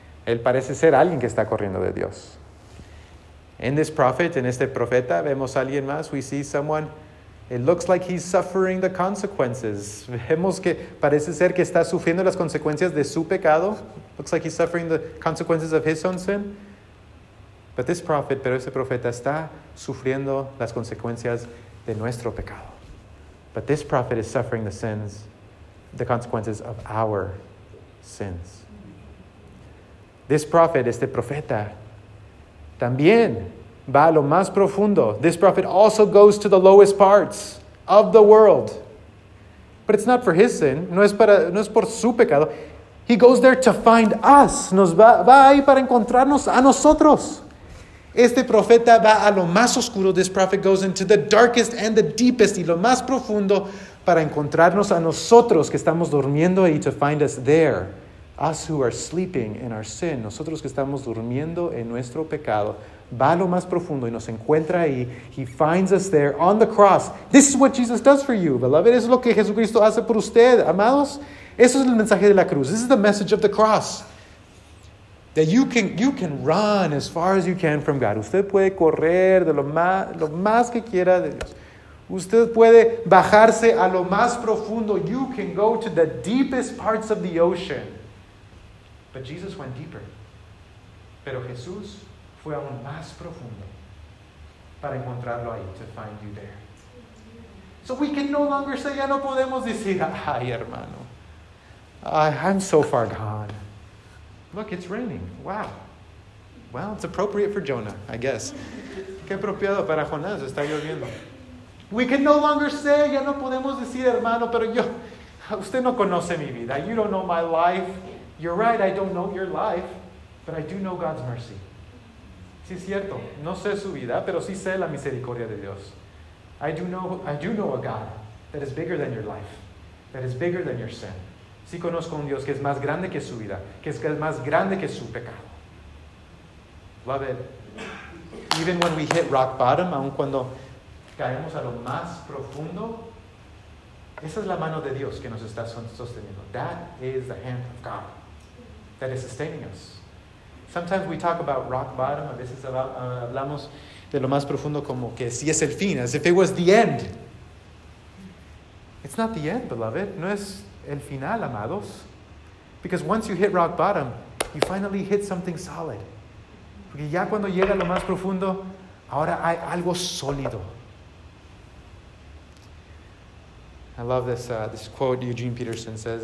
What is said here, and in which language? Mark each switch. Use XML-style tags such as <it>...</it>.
<es>Él parece ser alguien que está corriendo de Dios. In this prophet, en este profeta, vemos a alguien más, we see someone, it looks like he's suffering the consequences. Vemos que parece ser que está sufriendo las consecuencias de su pecado.</es> <en>Looks like he's suffering the consequences of his own sin. But this prophet, pero este profeta está sufriendo las consecuencias de nuestro pecado. But this prophet is suffering the sins, the consequences of our sins.</en> <es>This prophet, este profeta, también va a lo más profundo.</es> <en>This prophet also goes to the lowest parts of the world. But it's not for his sin. No es por su pecado. He goes there to find us.</en> <es>Va ahí para encontrarnos a nosotros. Este profeta va a lo más oscuro.</es> <en>This prophet goes into the darkest and the deepest. Y lo más profundo para encontrarnos a nosotros que estamos durmiendo ahí. To find us there. Us who are sleeping in our sin. Nosotros que estamos durmiendo en nuestro pecado.</en> <es>Va a lo más profundo y nos encuentra ahí.</es> <en>He finds us there on the cross. This is what Jesus does for you, beloved.</en> <es>Es lo que Jesucristo hace por usted, amados. Eso es el mensaje de la cruz. This is the message of the cross.</es> <en>That you can run as far as you can from God.</en> <es>Usted puede correr de lo más que quiera de Dios. Usted puede bajarse a lo más profundo.</es> <en>You can go to the deepest parts of the ocean.</en> <es>But Jesus went deeper. Pero Jesús fue aún más profundo para encontrarlo ahí, to find you there.</es> <en>So we can no longer say, ya no podemos decir, ay, hermano. I'm so far gone. Look, it's raining. Wow. Well, it's appropriate for Jonah, I guess.</en> <es>Qué apropiado para Jonás, está lloviendo. We can no longer say, ya no podemos decir, hermano, pero yo, usted no conoce mi vida.</es> <en>You don't know my life. You're right, I don't know your life, but I do know God's mercy.</en> <es>Sí, es cierto. No sé su vida, pero sí sé la misericordia de Dios.</es> <en>I do know a God that is bigger than your life, that is bigger than your sin.</en> <es>Sí conozco un Dios que es más grande que su vida, que es más grande que su pecado.</es> <en>Love it. Even when we hit rock bottom, aun cuando</en> <es>caemos a lo más profundo, esa es la mano de Dios que nos está sosteniendo.</es> <en>That is the hand of God that is sustaining us. Sometimes we talk about rock bottom, a veces hablamos de lo más profundo como que si es el fin, as if it was the end. It's not the end, beloved. No es el final, amados. Because once you hit rock bottom, you finally hit something solid.</en> <es>Porque ya cuando llega lo más profundo, ahora hay algo sólido.</es> <en>I love this this quote Eugene Peterson says.</en>